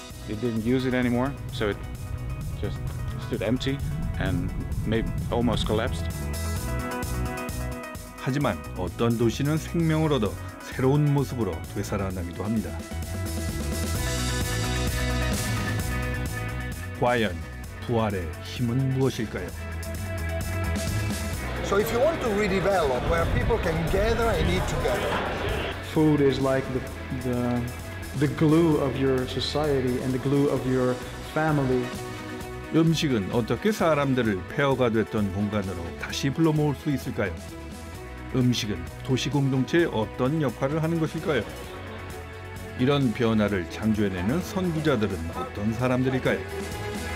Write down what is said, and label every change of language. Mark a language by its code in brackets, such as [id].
[en] It didn't use it anymore, so it just stood empty and maybe almost collapsed. [ko] 하지만 어떤 도시는 생명을 얻어 새로운 모습으로 되살아나기도 합니다. 과연 부활의 힘은 무엇일까요? [en] So if you want to redevelop where people can gather and eat together. Food is like the glue of your society and the glue of your family. [ko] 음식은 어떻게 사람들을 폐허가 됐던 공간으로 다시 불러모을 수 있을까요? 음식은 도시 공동체에 어떤 역할을 하는 것일까요? 이런 변화를 창조해내는 선구자들은 어떤 사람들일까요?